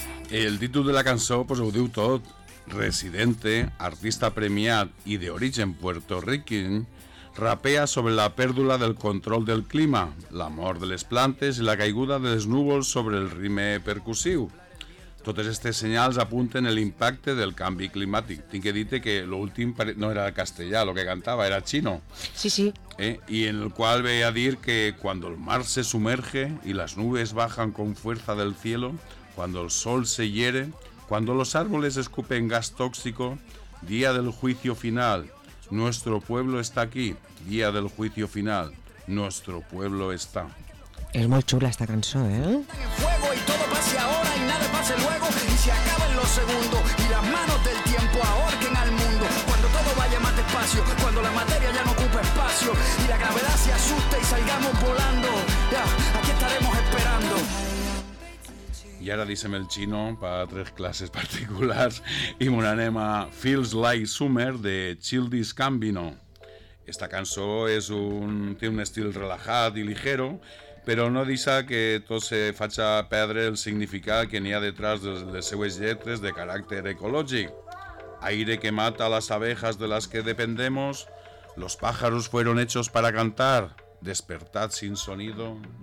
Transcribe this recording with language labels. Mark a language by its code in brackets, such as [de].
[ca] El títol de la cançó, pues, ho diu tot. Residente, artista premiat i d'origen puertorriqueny, rapea sobre la pèrdua del control del clima, la mort de les plantes i la caiguda dels núvols sobre el ritme percussiu. Totes aquestes senyals apunten a l'impacte del canvi climàtic. Tinc que dir que l'últim no era castellà, el que cantava, era xino. Sí, sí. I en el qual veia a dir que quan el mar [es] se sumerge i les nubes bajan con fuerza del cielo, quan el sol se hiere, quan los árboles escupen gas tóxico, dia del juicio final, nuestro pueblo está aquí, dia del juicio final, nuestro pueblo está. [ca] És molt xula esta cançó, eh? [es] En fuego y todo pase ahora y nada pase luego y se acaben los segundos y las manos del tiempo ahorquen al mundo cuando todo vaya más despacio, cuando la materia ya no ocupa espacio y la gravedad se asuste y salgamos volando, ya, aquí estaremos esperando. [ca] I ara deixem el xino per a tres classes particulars i m'ho anem a Feels Like Summer de Childish Gambino. Esta cançó és té un estil relajat i ligero, però no deixa que tot se faci perdre el significat que n'hi ha detrás de les seues lletres de caràcter ecològic. [es] Aire que mata las abejas de las que dependemos, los pájaros fueron hechos para cantar, despertad sin sonido.